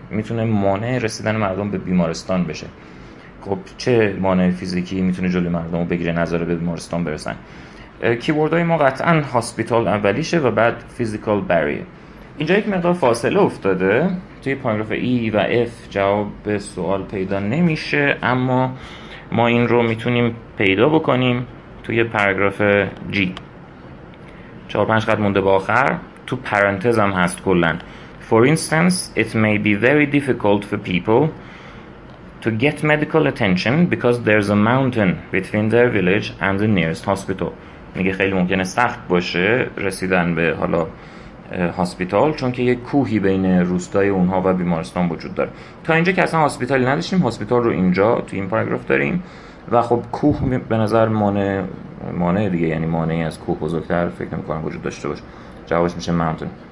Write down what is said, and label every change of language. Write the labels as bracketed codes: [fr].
[fa] میتونه مانع رسیدن مردم به بیمارستان بشه. خب چه مانع فیزیکی میتونه جلوی مردمو بگیره نذاره به بیمارستان برسن؟ کیوردهای ما قطعا هاسپیتال اولیشه و بعد فیزیکال بریر. اینجا یک مقدار فاصله افتاده، توی پاراگراف ای و اف جواب سوال پیدا نمیشه، اما ما این رو میتونیم پیدا بکنیم توی پاراگراف جی. 4-5 قد مونده به آخر، تو پرانتز هم هست کلن، [en] for instance it may be very difficult for people to get medical attention because there's a mountain between their village and the nearest hospital. [fa] میگه خیلی ممکنه سخت باشه رسیدن به حالا هاسپیتال، چون که یک کوهی بین روستای اونها و بیمارستان وجود داره. تا اینجا که اصلا هاسپیتالی نداشتیم، هاسپیتال رو اینجا تو این پاراگراف داریم، و خب کوه به نظر مانع دیگه، یعنی مانعی از کوه بزرگتر فکر میکنم وجود داشته باشه. جوابش میشه mountain.